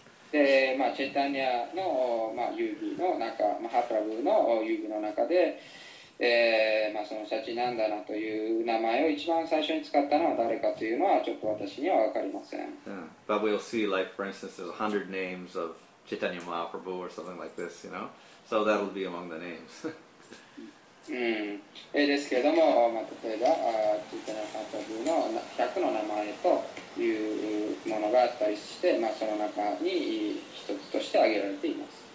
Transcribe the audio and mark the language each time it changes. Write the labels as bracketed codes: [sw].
[ja] で、まあ、チェタニアの、まあ、遊戯の中、マハプラブの遊戯の中で、まあ、そのシャチナンダナという名前を一番最初に使ったのは誰かというのはちょっと私には分かりません。 [en] Yeah. But we'll see, like, for instance, there's 100 names of Chaitanya Mahaprabhu or something like this, you know? So that'll be among the names. [ja] ですけれども、まあ、例えば、チェタニアマハプラブの100の名前というものがあったりして、まあ、その中に一つとして挙げられています。